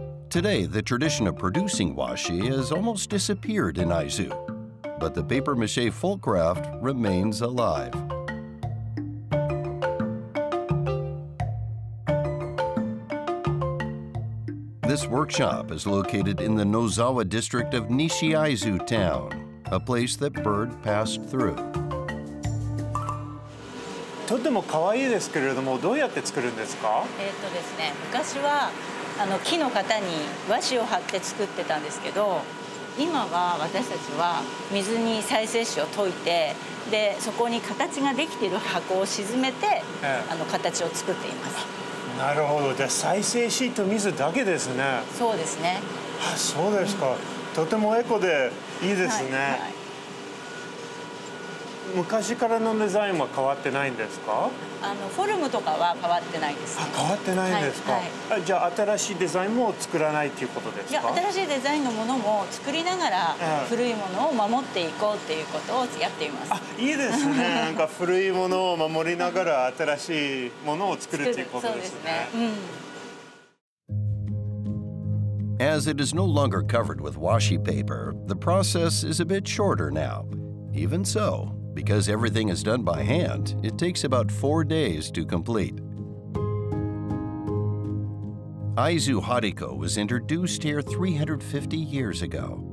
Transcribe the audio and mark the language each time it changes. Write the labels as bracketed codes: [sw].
[en] Today, the tradition of producing washi has almost disappeared in Aizu, but the papier-mâché folk craft remains alive. This workshop is located in the Nozawa district of Nishi Aizu town, a place that Bird passed through. [ja] とても可愛いですけれども、どうやって作るんですか？ですね、昔はあの木の型に和紙を貼って作ってたんですけど、今は私たちは水に再生紙を溶いて、でそこに形ができている箱を沈めて、あの形を作っています。なるほど。じゃあ再生紙と水だけですね。そうですね。あ、そうですか。とてもエコでいいですね。はいはい、昔からのデザインは変わってないんですか？あのフォルムとかは変わってないです、ね。あ、変わってないんですか。はいはい、じゃあ新しいデザインも作らないということですか？いや、新しいデザインのものも作りながら、古いものを守っていこうっていうことをやっています。あ、いいですね。なんか古いものを守りながら新しいものを作るということですね。 [en] As it is no longer covered with washi paper, the process is a bit shorter now. Even so, because everything is done by hand, it takes about 4 days to complete. Aizu Hariko was introduced here 350 years ago.